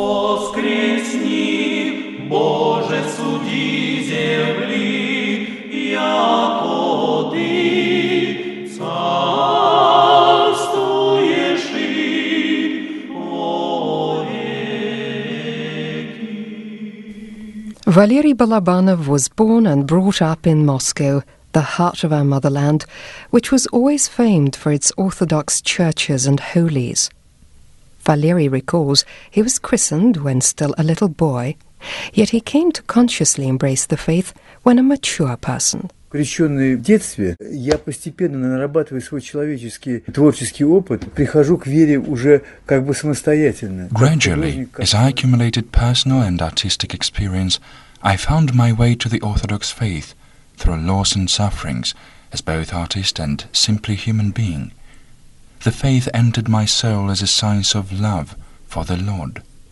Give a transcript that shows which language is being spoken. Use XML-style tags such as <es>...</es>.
<ru>Воскресни, Боже, суди земли, яко ты царствуешь во веки.</ru> <en>Valery Balabanov was born and brought up in Moscow, the heart of our motherland, which was always famed for its Orthodox churches and holies. Valery recalls he was christened when still a little boy, yet he came to consciously embrace the faith when a mature person.</en> <ru>Крещённый в детстве, я постепенно, нарабатывая свой человеческий творческий опыт, прихожу к вере уже как бы самостоятельно.</ru> <en>Gradually, as I accumulated personal and artistic experience, I found my way to the Orthodox faith through loss and sufferings as both artist and simply human being. The faith entered my soul as a science of love for the Lord.</en>